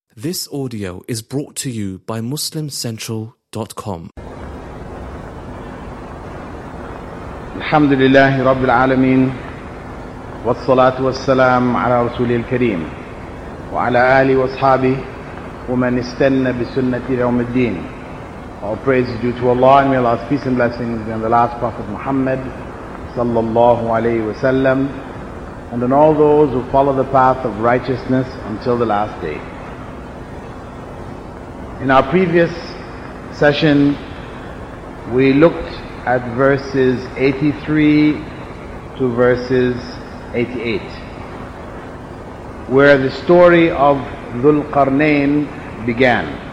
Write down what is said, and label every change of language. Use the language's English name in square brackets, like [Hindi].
[English] This audio is brought to you by MuslimCentral.com. [Arabic] الحمد لله رب العالمين والصلاة والسلام على رسول الكريم وعلى آله وصحبه ومن استنى بسنة يوم الدين. [English] All praise is due to Allah and may Allah's peace and blessings be on the last Prophet Muhammad [Arabic] صلى الله عليه وسلم [English] and on all those who follow the path of righteousness until the last day. In our previous session, we looked at verses 83 to verses 88, where the story of Dhulqarnain began.